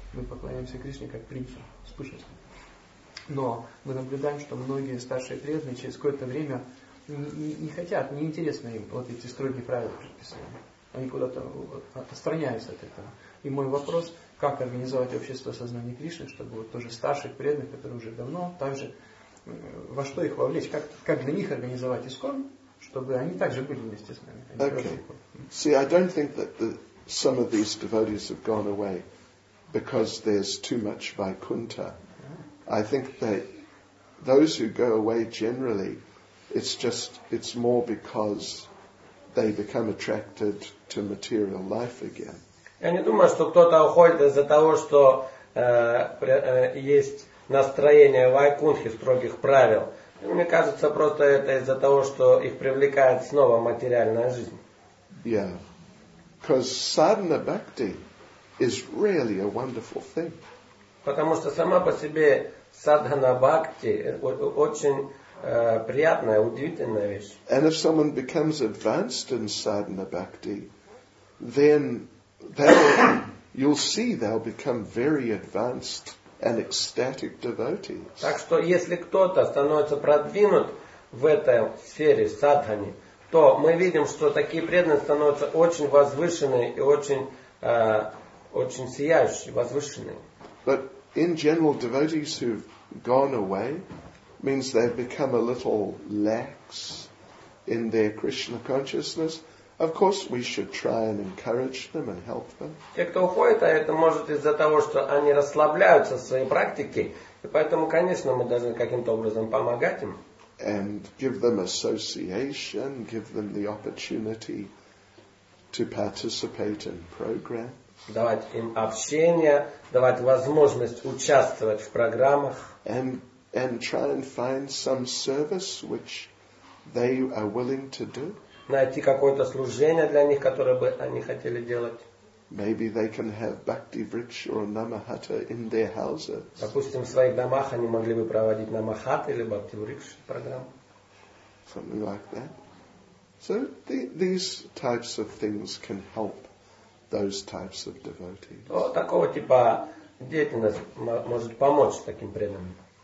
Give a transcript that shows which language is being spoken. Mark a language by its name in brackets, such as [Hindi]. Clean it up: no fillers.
[Russian] Мы поклоняемся Кришне как принцу, спущенству. Но мы наблюдаем, что многие старшие преданные через какое-то время не хотят, неинтересно им вот эти строгие правила предписания. Они куда-то отстраняются от этого. И мой вопрос, как организовать общество сознания Кришны, чтобы вот тоже старших преданных, которые уже давно, также во что их вовлечь, как для них организовать ИСКОН, чтобы они также были вместе с нами. [English] See, I don't think that some of these devotees have gone away because there's too much Vaikuntha. I think those who go away generally, it's just, it's more because they become attracted to material life again. [Russian] Я не думаю, что кто-то уходит из-за того, что есть настроение Вайкунтхи, строгих правил. Мне кажется, просто это из-за того, что их привлекает снова материальная жизнь. [English] Yeah. Because sadhana bhakti is really a wonderful thing. [Russian] Потому что сама по себе садхана бхакти очень приятная, удивительная вещь. [English] And if someone becomes advanced in sadhana bhakti, then you'll see they'll become very advanced and ecstatic devotees. [Russian] Так что если кто-то становится продвинут в этой сфере садхани, то мы видим, что такие преданные становятся очень возвышенные и очень сияющие, возвышенные. [English] But in general, devotees who've gone away means they've become a little lax in their Krishna consciousness. Of course, we should try and encourage them and help them. [Russian] Те, кто уходит, а это может из-за того, что они расслабляются в своей практике, и поэтому, конечно, мы должны каким-то образом помогать им. [English] And give them association, give them the opportunity to participate in programs. [Russian] Давать им общение, давать возможность участвовать в программах. [English] And try and find some service which they are willing to do. [Russian] Найти какое-то служение для них, которое бы они хотели делать. [English] Maybe they can have bhakti vriksha or namahata in their houses. [Russian] Допустим, в своих домах они могли бы проводить намахаты или бхакти вриксха программу. [English] Something like that. So these types of things can help those types of devotees. [Russian] То такого типа деятельность может помочь таким преданным.